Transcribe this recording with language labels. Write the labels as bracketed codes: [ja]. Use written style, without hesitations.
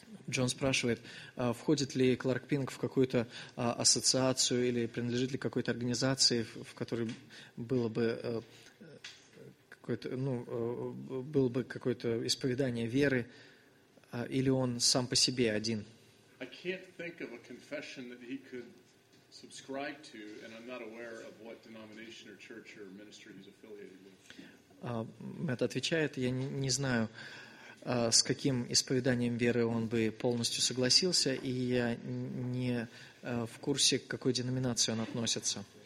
[ru] Джон спрашивает, входит ли Кларк Пиннок в какую-то ассоциацию или принадлежит ли какой-то организации, в которой было бы какое-то исповедание веры, или он сам по себе один? [en] I can't think of a confession that he could subscribe to, and I'm not aware of what denomination or church or ministry he's affiliated with. [ru] Мэтт отвечает, я не знаю, с каким исповеданием веры он бы полностью согласился, и я не в курсе, к какой деноминации он относится.